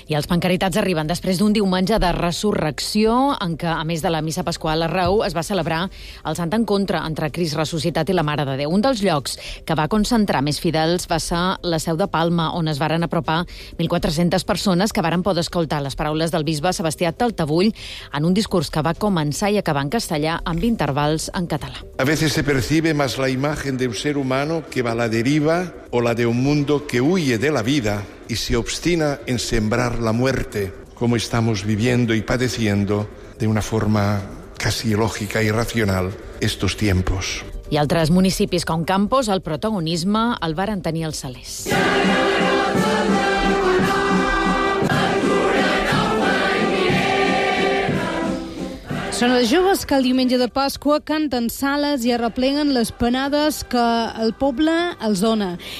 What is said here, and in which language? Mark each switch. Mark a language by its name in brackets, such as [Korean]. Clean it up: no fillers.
[Catalan] I els pancaritats arriben després d'un diumenge de resurrecció en què, a més de la missa pasqual a Reu, es va celebrar el Sant Encontre entre Crist ressuscitat i la Mare de Déu. Un dels llocs que va concentrar més fidels va ser la Seu de Palma, on es varen apropar 1.400 persones que varen poder escoltar les paraules del bisbe Sebastià Taltavull en un discurs que va començar i acabar en castellà amb intervals en català. [Spanish] A veces se percibe más la imagen de un ser humano que va a la deriva o la de un mundo que huye de la vida y se obstina en sembrar la muerte, como estamos viviendo y padeciendo de una forma casi lógica y racional estos tiempos. [Catalan] I altres municipis com Campos, el protagonisme el varen tenir els salers. Són els joves que el diumenge de Pasqua canten sales i arrepleguen les panades que el poble els dona.